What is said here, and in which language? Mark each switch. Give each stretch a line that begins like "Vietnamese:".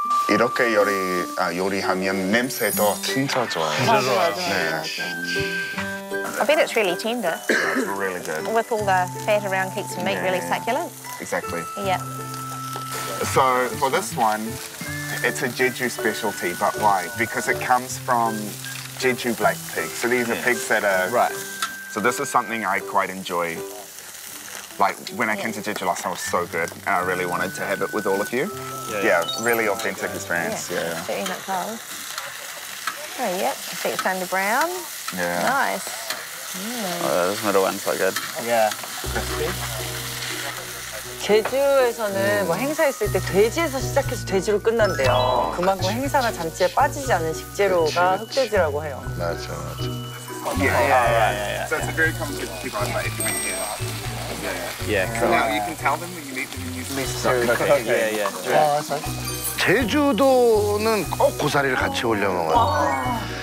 Korean: 이렇게 요리 요리하면 냄새도 진짜 좋아요. 진짜 좋아요. 네.
English: I bet it's really tender. Yeah, really good. With all the fat around, keeps the meat really succulent. Exactly. Yeah. So for this one. It's a Jeju specialty, but why? Because it comes from Jeju black pigs. So these are pigs that are... Right. So this is something I quite enjoy. Like, when I came to Jeju last time, it was so good, and I really wanted to have it with all of you. Yeah, really authentic experience. Yeah. Eating it cold. Oh, yep. I see it's turned to brown. Yeah. Nice. Mm. Oh, this middle one's so good. Yeah. Crispy.
Korean: 제주에서는 뭐 행사 있을 때 돼지에서 시작해서 돼지로 끝난대요. 그만큼 그치. 행사나 잔치에 빠지지 않은 식재료가 흑돼지라고 해요. 맞아, 맞아.
English: So it's a very common dish if you're here. Yeah. So now you can tell them when you meet them in New Zealand. Yeah.
Korean: 제주도는 꼭 고사리를 같이 올려 먹어요.